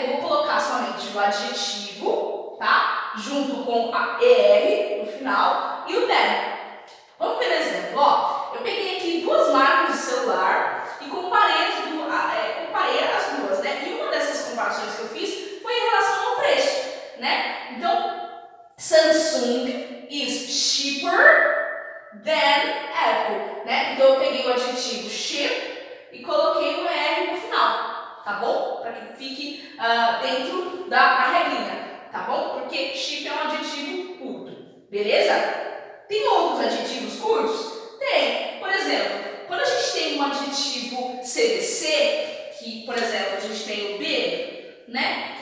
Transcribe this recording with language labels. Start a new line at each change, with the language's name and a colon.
Portuguese: Eu vou colocar somente o adjetivo, tá? Junto com a er no final e o them. Vamos ver um exemplo, ó. Eu peguei aqui duas marcas de celular e comparei as duas, né? E uma dessas comparações que eu fiz foi em relação ao preço, né?
English: Então, Samsung is cheaper than Apple, né?
Portuguese: Então eu peguei o adjetivo cheap e coloquei o er no final, tá bom? Para que fique dentro da regrinha, tá bom? Porque cheap é um adjetivo curto, beleza? Tem outros adjetivos curtos? Tem. Por exemplo, quando a gente tem um adjetivo CVC, que, por exemplo, a gente tem o B, né?